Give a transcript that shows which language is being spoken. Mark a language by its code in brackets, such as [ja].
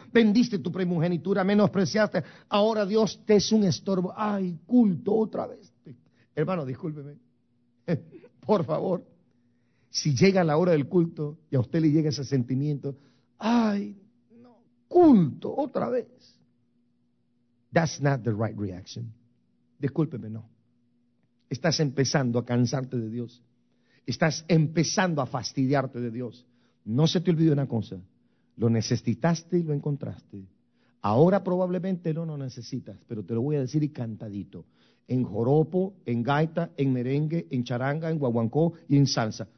[es] Vendiste tu primogenitura, menospreciaste. Ahora Dios te es un estorbo. Ay, culto otra vez. Hermano, discúlpeme. Por favor, si llega la hora del culto y a usted le llega ese sentimiento, ay, no, culto otra vez. [en] That's not the right reaction. [es] Discúlpeme, no. Estás empezando a cansarte de Dios. Estás empezando a fastidiarte de Dios. No se te olvide una cosa. Lo necesitaste y lo encontraste. Ahora probablemente no lo necesitas, pero te lo voy a decir y cantadito. En joropo, en gaita, en merengue, en charanga, en guaguancó y en salsa.